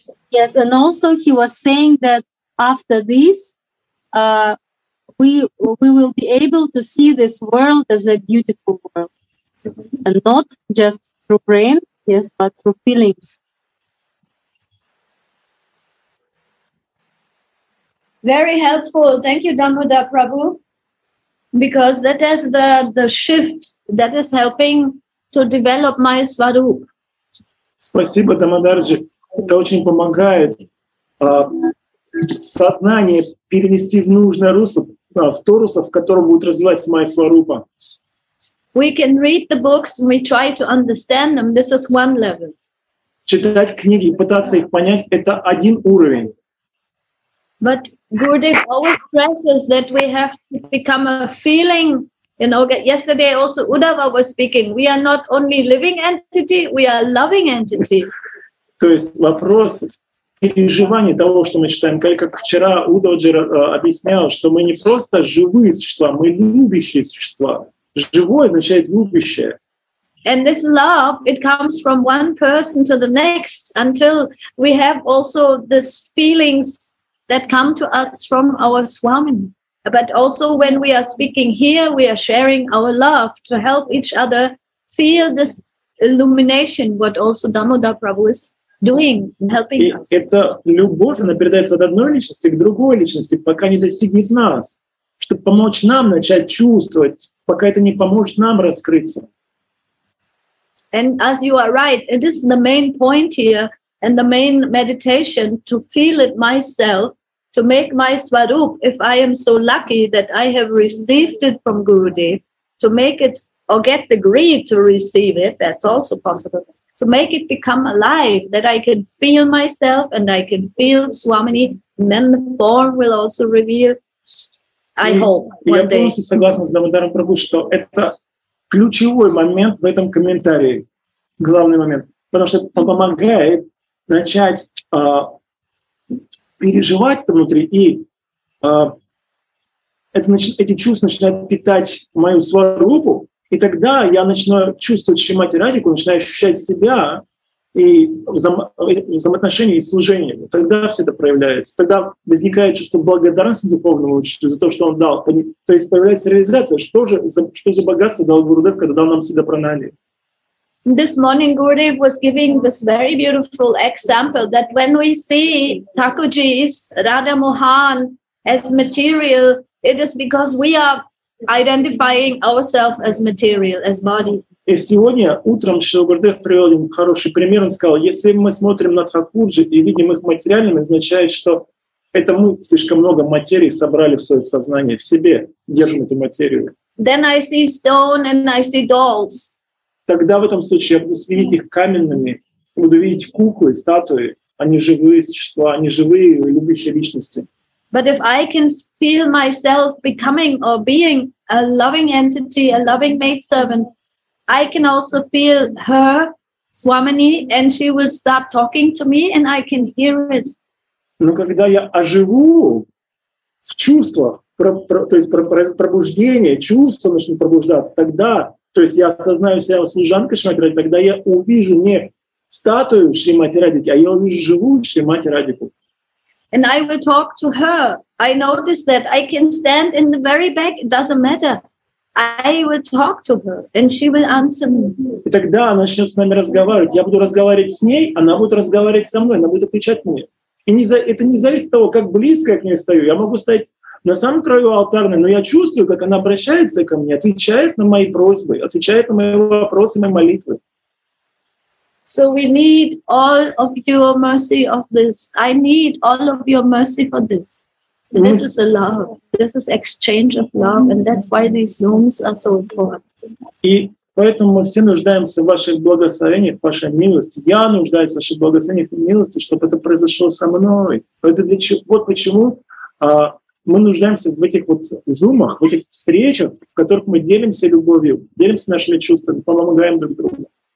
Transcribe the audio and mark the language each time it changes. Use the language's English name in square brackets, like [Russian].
[English] Yes, and also he was saying that after this, we will be able to see this world as a beautiful world, and not just through brain, yes, but through feelings. Very helpful. Thank you, Damodar Prabhu, because that is the shift that is helping to develop my Swarup. [Russian] Спасибо, Дамодарджи. Это очень помогает сознание перенести в нужное русло, в то русло, в котором будет развиваться Майя Сварупа. [English] We can read the books and we try to understand them. This is one level. [Russian] Читать книги и пытаться их понять — это один уровень. [English] But Gurudev always stresses that we have to become a feeling. You know, yesterday also Uddhava was speaking. We are not only living entity, we are loving entity. [Russian] То есть вопрос переживания того, что мы считаем, как вчера Удаджи объяснял, что мы не просто живые существа, мы любящие существа. Живое означает любящее. [English] And this love, it comes from one person to the next until we have also these feelings that come to us from our Swamin. But also when we are speaking here, we are sharing our love to help each other feel this illumination, what also Damodar Prabhu is doing, helping [Russian] и [English] us. [Russian] Эта любовь, она передается от одной личности к другой личности, пока не достигнет нас, чтобы помочь нам начать чувствовать, пока это не поможет нам раскрыться. [English] And as you are right, it is the main point here and the main meditation to feel it myself, to make my Swarup, if I am so lucky that I have received it from Gurudev, to make it or get the greed to receive it, that's also possible. To make it become alive, that I can feel myself and I can feel Swamini, and then the form will also reveal. I hope one day. [Russian] Я полностью согласен с Дамодаром Прабху, что это ключевой момент в этом комментарии, главный момент, потому что это помогает начать переживать это внутри, и эти чувства начинают питать мою сварупу. И тогда я начинаю чувствовать Шримати Радику, начинаю ощущать себя и взаимоотношения и служение. Тогда все это проявляется. Тогда возникает чувство благодарности духовному учителю за то, что он дал. То есть появляется реализация, что за богатство дал Гурудев, когда дал нам Сидда Пранали. [English] This morning Gurudev was giving this very beautiful example that when we see Thakurji's Radha Mohan as material, it is because we are identifying ourselves as material, as body. [Russian] И сегодня утром Шрила Гурудев привел им хороший пример. Он сказал, если мы смотрим на Тхакурджи и видим их материальным, означает, что это мы слишком много материи собрали в свое сознание, в себе держим эту материю. [English] Then I see stone and I see dolls. [Russian] Тогда в этом случае я буду видеть их каменными, буду видеть куклы, статуи. Они живые существа, они живые любящие личности. [English] But if I can feel myself becoming or being a loving entity, a loving maidservant, I can also feel her, Swamini, and she will start talking to me and I can hear it. [Russian] Но когда я оживу в чувствах, то есть пробуждение, чувства начнут пробуждаться, тогда, то есть я осознаю себя служанкой Шримати Радики, тогда я увижу не статую Шримати Радики, а я увижу живую Шримати Радику. [English] And I will talk to her. I notice that I can stand in the very back, it doesn't matter. I will talk to her and she will answer me. [Russian] И тогда она начнет с нами разговаривать. Я буду разговаривать с ней, она будет разговаривать со мной, она будет отвечать мне. И это не зависит от того, как близко я к ней стою. Я могу стоять на самом краю алтарной, но я чувствую, как она обращается ко мне, отвечает на мои просьбы, отвечает на мои вопросы, мои молитвы. [English] So we need all of your mercy of this. I need all of your mercy for this. This is a love. This is exchange of love, and that's why these zooms are so important. [Russian] И поэтому мы все нуждаемся в ваших благословениях, в вашей милости. Я нуждаюсь в ваших благословениях и милости, чтобы это произошло со мной. Вот почему мы нуждаемся в этих вот зумах, в этих встречах, в которых мы делимся любовью, делимся нашими чувствами, помогаем друг другу.